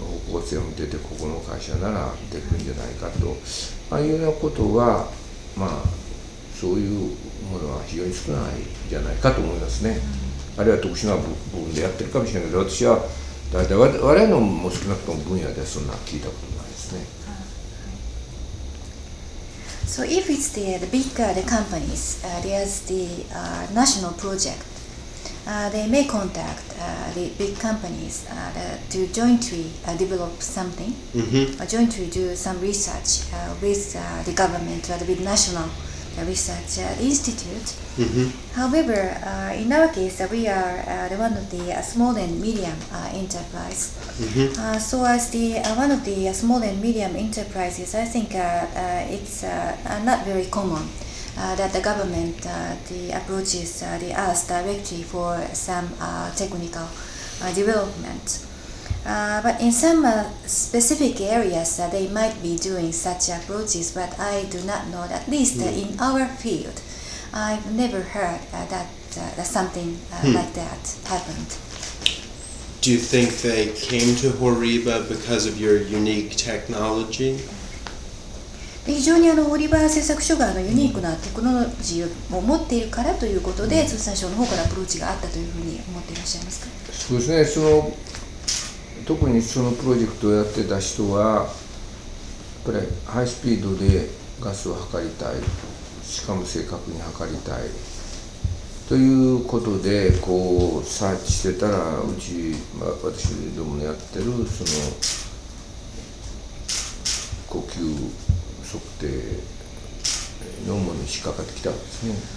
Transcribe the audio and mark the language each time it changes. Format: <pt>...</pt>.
<ja>方向性を出て、ここの会社ならできるんじゃないかと、ああいうようなことは、まあ、そういうものは非常に少ないじゃないかと思いますね。あるいは特殊な部分でやってるかもしれないけど、私は大体我々のも少なくとも分野ではそんな聞いたことないですね。</ja> <en>So if it's the bigger the companies, there's the national project. They may contact the big companies to jointly develop something, mm-hmm. or jointly do some research with the government or with national research institute. Mm-hmm. However, in our case, we are one of the small and medium enterprise. Mm-hmm. So as the one of the small and medium enterprises, I think it's not very common. That the government approaches the us directly for some technical development. But in some specific areas, they might be doing such approaches, but I do not know, at least in our field, I've never heard that something like that happened. Do you think they came to Horiba because of your unique technology?</en> <ja>非常にオリバー製作所がユニークなテクノロジーを持っているからということで、通産省の方からアプローチがあったというふうに思っていらっしゃいますか？そうですね、特にそのプロジェクトをやってた人は、やっぱりハイスピードでガスを測りたい、しかも正確に測りたいということで、こうサーチしてたら、うち、まあ、私どものやってる、その呼吸、測定のものに引っかかってきたわけですね。</ja>